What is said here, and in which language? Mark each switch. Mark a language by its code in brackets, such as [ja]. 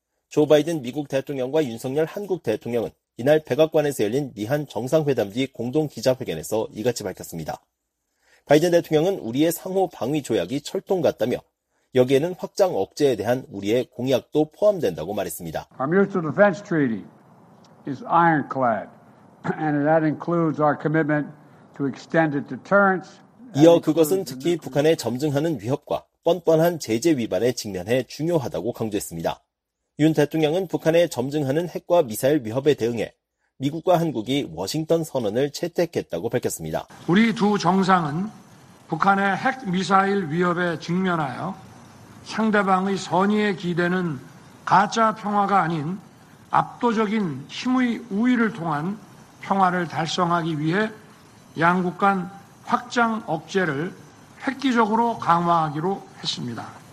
[ko] 조 바이든 미국 대통령과 윤석열 한국 대통령은 이날 백악관에서 열린 미한 정상회담 뒤 공동 기자회견에서 이같이 밝혔습니다. 바이든 대통령은 우리의 상호 방위 조약이 철통 같다며 여기에는 확장 억제에 대한 우리의 공약도 포함된다고 말했습니다. [en] Our mutual defense treaty is ironclad, and that includes our commitment to extended deterrence. [ko] 이어 그것은 특히 북한의 점증하는 위협과 뻔뻔한 제재 위반에 직면해 중요하다고 강조했습니다. 윤 대통령은 북한의 점증하는 핵과 미사일 위협에 대응해 미국과 한국이 워싱턴 선언을 채택했다고 밝혔습니다. 우리 두 정상은 북한의 핵 미사일 위협에 직면하여 상대방의 선의에 기대는 가짜 평화가 아닌 압도적인 힘의 우위를 통한 평화를 달성하기 위해 양국 간 확장 억제를 획기적으로 강화하기로 했습니다.